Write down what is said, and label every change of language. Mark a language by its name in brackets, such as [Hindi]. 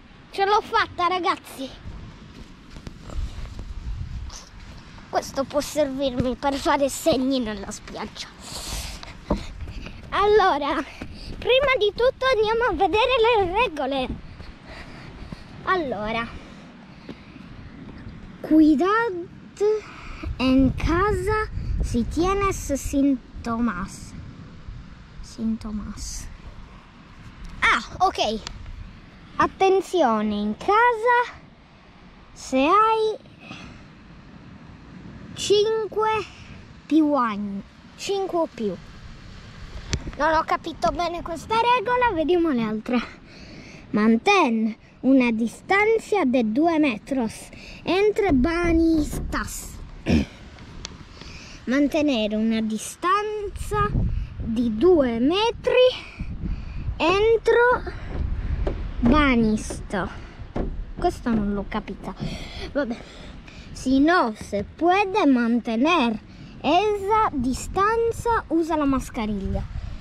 [Italian] Ce l'ho fatta, ragazzi. Questo può servirmi per fare segni nella spiaggia. Allora, prima di tutto andiamo a vedere le regole. [Spanish] Allora, cuidad en casa si tienes síntomas. Síntomas. Ah, ok. [Italian] Attenzione in casa se hai 5 più anni. 5 o più. Non ho capito bene questa regola, vediamo le altre. [Spanish] Mantén una distanza de 2 metros entre banistas. [Italian] Mantenere una distanza di 2 metri entro banisto. Questo non l'ho capita. Vabbè. [Spanish] Si no se puede mantener esa distanza, usa la mascherina.